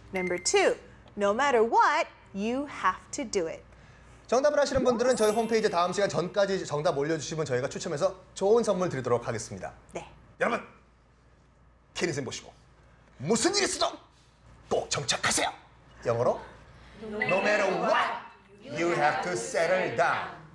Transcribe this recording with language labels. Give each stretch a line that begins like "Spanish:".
English: Number two, no matter what, you have to do it.
Korean: 정답을 아시는 분들은 저희 홈페이지 다음 시간 전까지 정답 올려주시면 저희가 추첨해서 좋은 선물 드리도록 하겠습니다. 네. 여러분, 케린쌤 보시고 무슨 일이 있어도 꼭 정착하세요. 영어로
English: No matter what, you have to settle down.